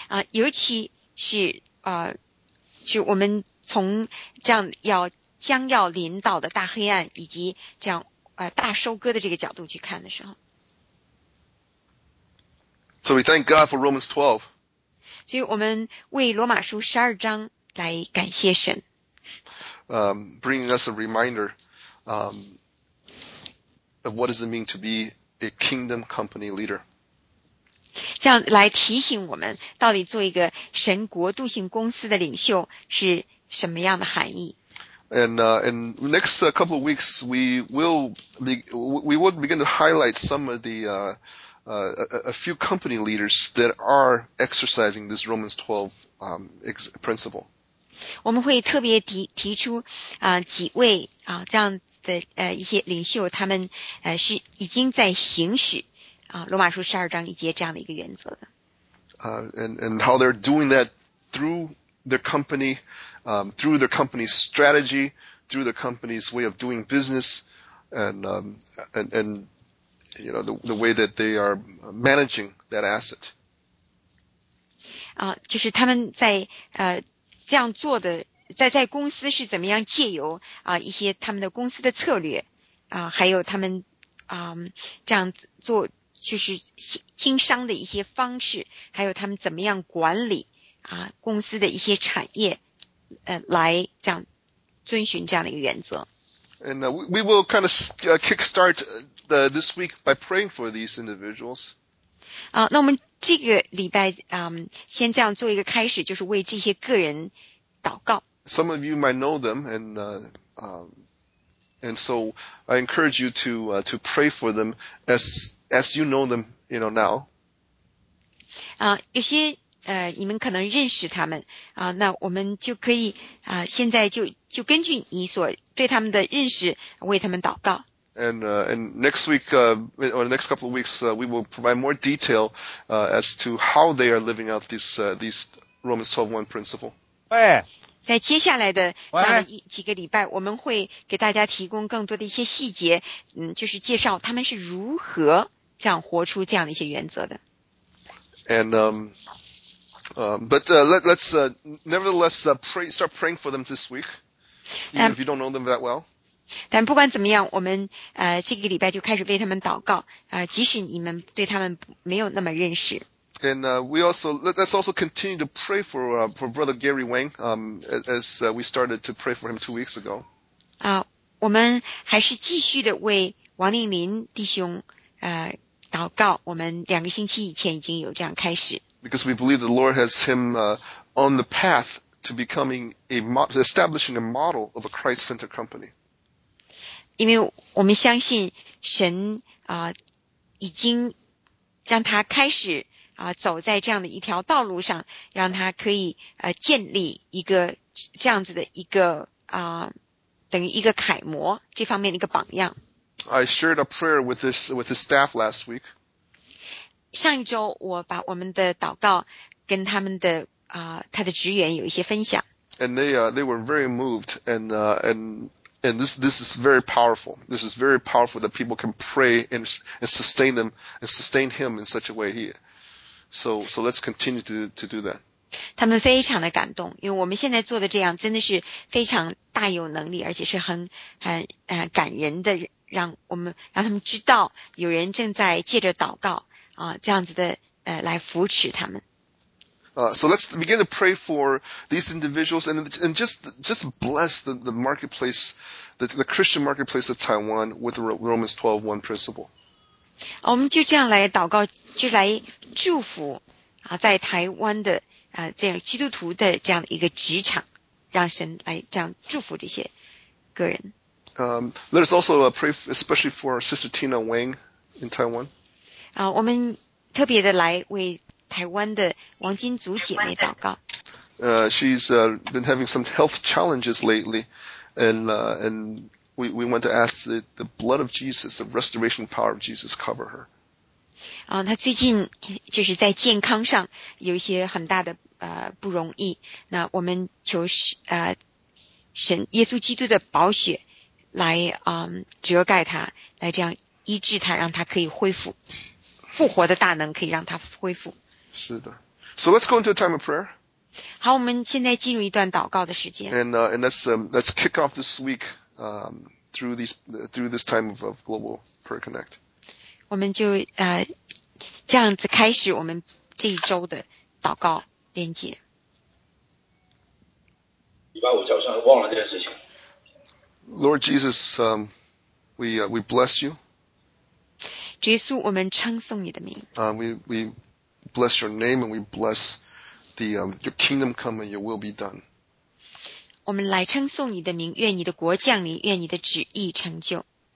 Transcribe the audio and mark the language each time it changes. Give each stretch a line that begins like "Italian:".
Chinese: 尤其是就我们从这样要将要临到的大黑暗以及这样大收割的这个角度去看的时候。
English: So we thank God for Romans 12.
Chinese: 所以我们为罗马书十二章来感谢神。
English: Bringing us a reminder, of what does it mean to be a kingdom company leader.
Chinese: 这样来提醒我们到底做一个神国度性公司的领袖是什么样的含义。
English: And next couple of weeks, we will begin to highlight some of the, a few company leaders that are exercising this Romans 12, principle.
Chinese: 我们会特别提出几位这样的一些领袖，他们是已经在行使罗马书十二章一节这样的一个原则的。
English: And how they're doing that through their company, through their company's strategy, through their company's way of doing business, and you know the way that they are managing that asset.
Chinese: 就是他们在这样做的，在公司是怎么样借由一些他们的公司的策略还有他们这样做就是经商的一些方式，还有他们怎么样管理公司的一些产业来这样遵循这样的一个原则。
English: And we will kind of kickstart this week by praying for these individuals.
Chinese: 那我们这个礼拜先这样做一个开始，就是为这些个人祷告。
English: Some of you might know them, and so I encourage you to pray for them as you know them, you know, now.
Chinese: 有些你们可能认识他们那我们就可以现在就根据你所对他们的认识为他们祷告。
English: And next week, or the next couple of weeks, we will provide more detail, as to how they are living out these Romans 12:1 principle.
Chinese: 喂，在接下来的这样的几个礼拜，我们会给大家提供更多的一些细节，就是介绍他们是如何这样活出这样的一些原则的。
English: And, but, let's, nevertheless, start praying for them this week. Even if you don't know them that well.
Chinese: 但不管怎么样，我们这个礼拜就开始为他们祷告即使你们对他们没有那么认识。
English: And we also let's also continue to pray for Brother Gary Wang, as we started to pray for him 2 weeks ago.
Chinese: 我们还是继续的为王令林弟兄祷告，我们两个星期以前已经有这样开始。
English: Because we believe the Lord has him on the path to becoming establishing a model of a Christ-centered company.
Chinese: 因为我们相信神已经让他开始走在这样的一条道路上，让他可以建立一个这样子的一个等于一个楷模，这方面的一个榜样。
English: I shared a prayer with his staff last week.
Chinese: 上一周我把我们的祷告跟他们的他的职员有一些分享。
English: And they were very moved and this is very powerful. This is very powerful that people can pray and sustain them and sustain him in such a way here. So let's continue to do that.
Chinese: 他们非常的感动，因为我们现在做的这样真的是非常大有能力，而且是很感人的，让他们知道有人正在借着祷告这样子的来扶持他们。
English: So let's begin to pray for these individuals and just bless the marketplace, the Christian marketplace of Taiwan with the Romans 12:1 principle.
Chinese: 我们就这样来祷告，就来祝福在台湾的这样基督徒的这样一个职场，让神来这样祝福这些个人。
English: Let us also pray especially for our sister Tina Wang in Taiwan.
Chinese: 我们特别的来为台湾的王金祖姐妹祷告。
English: She's been having some health challenges lately, and we want to ask that the blood of Jesus, the restoration power of Jesus, cover her.
Chinese: 他最近就是在健康上有一些很大的不容易。那我们求神耶稣基督的宝血来遮盖他，来这样医治他，让他可以恢复，复活的大能可以让他恢复。是的。
English: So let's go into a time of prayer.
Chinese: 好，我们现在进入一段祷告的时间。
English: And let's kick off this week through this time of global prayer connect.
Chinese: 我们就这样子开始我们这一周的祷告连接。礼拜五早上忘了这件事情。
English: Lord Jesus, we bless you.
Chinese: 主耶稣，我们称颂你的名。
English: We bless your name and we bless the your kingdom come and your will be done.
Chinese: 我们来称颂你的名，愿你的国降临，愿你的旨意成就。